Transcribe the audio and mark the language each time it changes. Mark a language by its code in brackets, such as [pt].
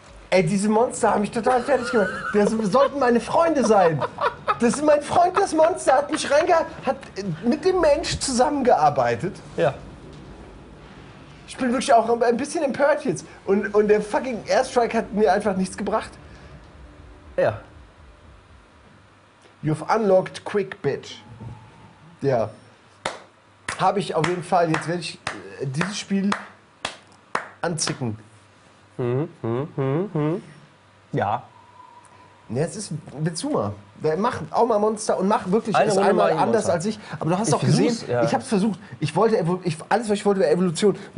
[de] Ey, diese Monster haben mich total fertig gemacht. Das sollten meine Freunde sein. Das ist mein Freund, das Monster. Hat mich hat mit dem Mensch zusammengearbeitet. Ja. Ich bin wirklich auch ein bisschen empört jetzt. Und der fucking Airstrike hat mir einfach nichts gebracht. Ja. [en] You've unlocked Quick Bitch. [de] Ja. Habe ich auf jeden Fall. Jetzt werde ich dieses Spiel anzicken. Ja. Ja, es ist Bizuma. Mach auch mal Monster und mach wirklich eine, ist einmal anders als ich. Aber du hast auch gesehen, ja. Ich hab's versucht. Ich wollte, alles, was ich wollte, war Evolution.